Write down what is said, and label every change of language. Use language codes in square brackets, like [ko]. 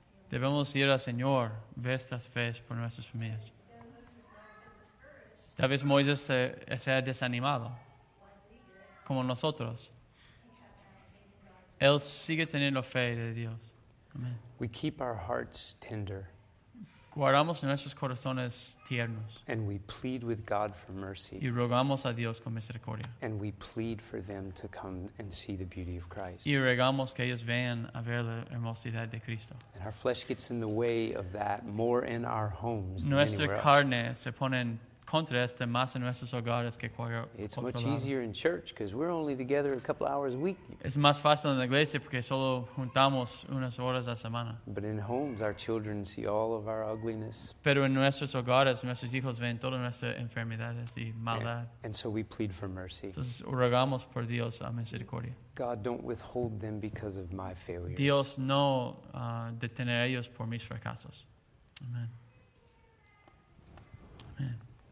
[es] Debemos ir al Señor vez tras vez por nuestras familias. Tal vez Moisés sea desanimado como nosotros. Él sigue teniendo fe de Dios. [en] Amen. We keep our hearts tender. [es] Guardamos nuestros corazones tiernos. [en] And we plead with God for mercy. [es] Y rogamos a Dios con misericordia. [en] And we plead for them to come and see the beauty of Christ. [es] Y rogamos que ellos vean a ver la hermosidad de Cristo. [en] And our flesh gets in the way of that more in our homes [es] Nuestra [en] than anywhere else. [es] Nuestra carne se pone contra este más en nuestros hogares que cualquier [en] It's much easier in church because we're only together a couple hours a week. [es] Es más fácil en la iglesia porque solo juntamos unas horas a semana. [en] But in homes, our children see all of our ugliness. [es] Pero en nuestros hogares, nuestros hijos ven todas nuestras enfermedades y maldad. [en] And so we plead for mercy. [es] Entonces rogamos por Dios a misericordia. [en] God, don't withhold them because of my failures. [es] Dios, no detener ellos por mis fracasos. Amen. Amen.